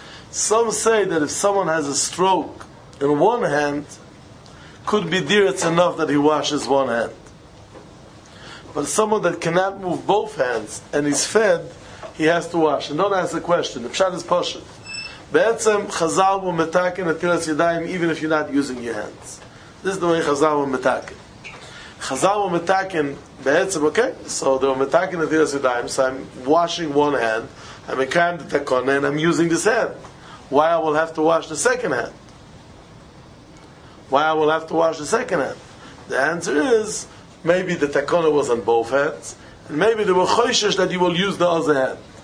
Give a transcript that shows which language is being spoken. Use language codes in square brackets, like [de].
[en] Some say that if someone has a stroke in one hand, could be dear, it's enough that he washes one hand. But someone that cannot move both hands and he's fed, he has to wash. And don't ask the question. The pshat is poshut. [he] בעצם חזר בו מתקן נטילת ידיים, [en] even if you're not using your hands. This is the way [he] חזר בו מתקן. חזר בו מתקן בעצם, okay? [en] So the [he] מתקן נטילת ידיים, [en] so I'm washing one hand, I'm a kind of takone, and I'm using this hand. Why I will have to wash the second hand? Why I will have to wash the second hand? The answer is, maybe the takone was on both hands, and maybe there were choishes that you will use the other hand.